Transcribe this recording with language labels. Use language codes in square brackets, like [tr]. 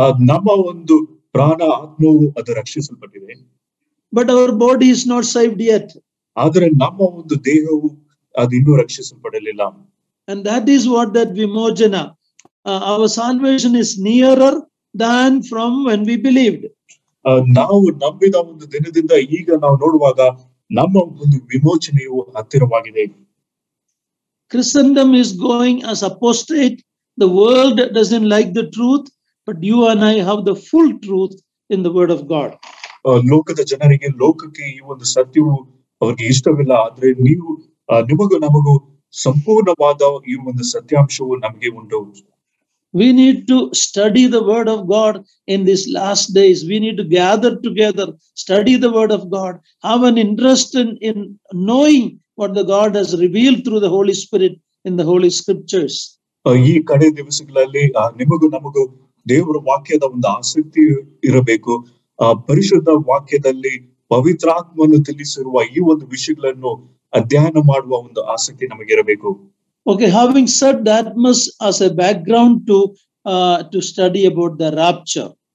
[kn] Namma ondu prana atmavu adu rakshisalpattide. [en] But our body is not saved yet. [kn] Adare namma ondu dehavu adu innu rakshisalpadalilla. [en] And that is what that vimochana, our salvation is nearer than from when we believed. [kn] ನಾವು ನಂಬಿದ ಒಂದು ದಿನದಿಂದ ಈಗ ನಾವು ನೋಡುವಾಗ ನಮ್ಮ ಒಂದು ವಿಮೋಚನೆಯು ಹತ್ತಿರವಾಗಿದೆ. [en] Christendom is going as apostate. The world doesn't like the truth, but you and I have the full truth in the word of God. [kn] ಲೋಕದ ಜನರಿಗೆ, ಲೋಕಕ್ಕೆ ಈ ಒಂದು ಸತ್ಯವು ಅವರಿಗೆ ಇಷ್ಟವಿಲ್ಲ. ಆದ್ರೆ ನೀವು ನಿಮಗೂ ನಮಗೂ ಸಂಪೂರ್ಣವಾದ ಈ ಒಂದು ಸತ್ಯಾಂಶವು ನಮಗೆ ಉಂಟು. [en] We need to study the word of God in these last days. We need to gather together, study the word of God, have an interest in knowing what the God has revealed through the Holy Spirit in the Holy Scriptures. [kn] ಈ ಕಡೆ ದಿವಸಗಳಲ್ಲಿ ನಿಮಗೂ ನಮಗೂ ದೇವರ ವಾಕ್ಯದ ಒಂದು ಆಸಕ್ತಿ ಇರಬೇಕು. ಪರಿಶುದ್ಧ ವಾಕ್ಯದಲ್ಲಿ ಪವಿತ್ರಾತ್ಮನು ತಿಳಿಸಿರುವ ಈ ಒಂದು ವಿಷಯಗಳನ್ನು ಅಧ್ಯಯನ ಮಾಡುವ ಒಂದು ಆಸಕ್ತಿ ನಮಗಿರಬೇಕು. [en] Okay, having said that must as a background to to study about the rapture.